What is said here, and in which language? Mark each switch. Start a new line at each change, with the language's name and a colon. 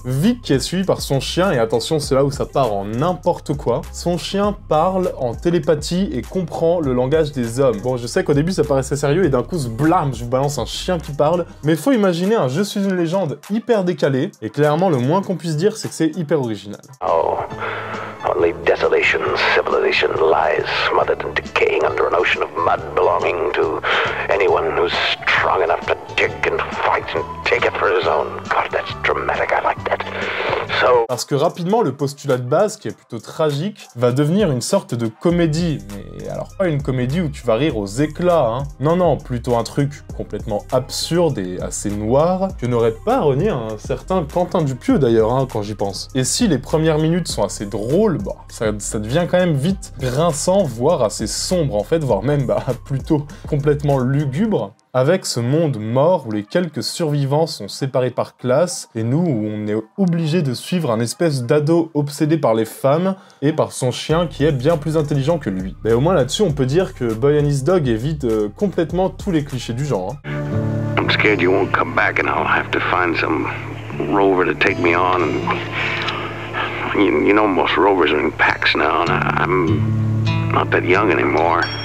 French: Vic qui est suivi par son chien, et attention, c'est là où ça part en n'importe quoi. Son chien parle en télépathie et comprend le langage des hommes. Bon, je sais qu'au début ça paraissait sérieux et d'un coup, blam, je vous balance un chien qui parle, mais faut imaginer un Je suis une légende hyper décalé, et clairement, le moins qu'on puisse dire, c'est que c'est hyper original.
English: Oh, only desolation, civilization lies smothered and decaying under an ocean of mud belonging to anyone who's strong enough to dig and fight and take it for his own. God, that's dramatic, I like that.
French: Parce que rapidement, le postulat de base, qui est plutôt tragique, va devenir une sorte de comédie. Mais alors pas une comédie où tu vas rire aux éclats, hein. Non, non, plutôt un truc complètement absurde et assez noir, que n'aurait pas renié un certain Quentin Dupieux d'ailleurs, hein, quand j'y pense. Et si les premières minutes sont assez drôles, bah, ça devient quand même vite grinçant, voire assez sombre en fait, voire même bah, plutôt complètement lugubre. Avec ce monde mort où les quelques survivants sont séparés par classe, et nous où on est obligé de suivre un espèce d'ado obsédé par les femmes et par son chien qui est bien plus intelligent que lui. Mais au moins là-dessus, on peut dire que Boy and His Dog évite complètement tous les clichés du genre.
English: Hein. I'm scared you won't come back and I'll have to find some rover to take me on. And you know, most rovers are in packs now and I'm not that young anymore.